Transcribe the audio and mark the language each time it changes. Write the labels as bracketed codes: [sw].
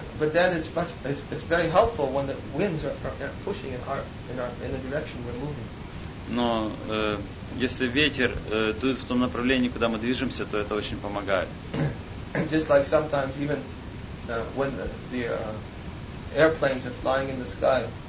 [en] But then it's very helpful when the winds are pushing in the direction we're moving. [ru] Но если ветер дует в том направлении, куда мы движемся, то это очень помогает. [en] Just like sometimes even when the airplanes are flying in the sky.